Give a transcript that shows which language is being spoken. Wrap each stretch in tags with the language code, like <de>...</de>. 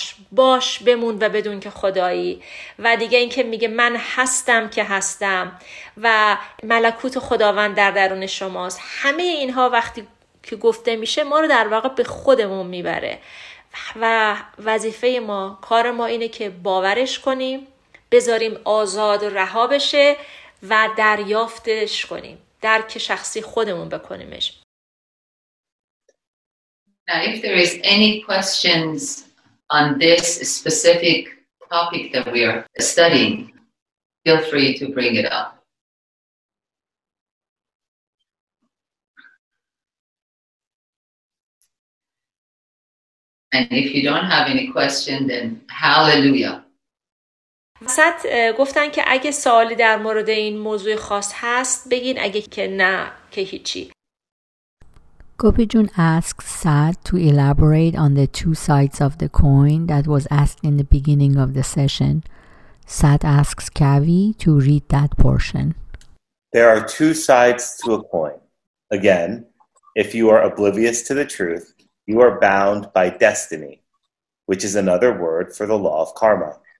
<fa>باش بمون و بدون که خدایی، و دیگه این که میگه من هستم که هستم و ملکوت خداوند در درون شماست، همه اینها وقتی که گفته میشه ما رو در واقع به خودمون میبره و وظیفه ما، کار ما اینه که باورش کنیم، بذاریم آزاد و رها بشه و دریافتش کنیم، درک شخصی خودمون بکنیمش.</fa> <en>Now, if there is any questions on this specific topic that we are studying, feel free to bring it up. And if you don't have any question, then hallelujah.</en> <fa>وسط گفتن که اگه سوالی در مورد این موضوع خاص هست بگین، اگه که نه که هیچی.</fa> <en>Gopi Jun asks Sat to elaborate on the two sides of the coin that was asked in the beginning of the session. Sat asks Kavi to read that portion. There are two sides to a coin. Again, if you are oblivious to the truth, you are bound by destiny, which is another word for the law of karma.</en>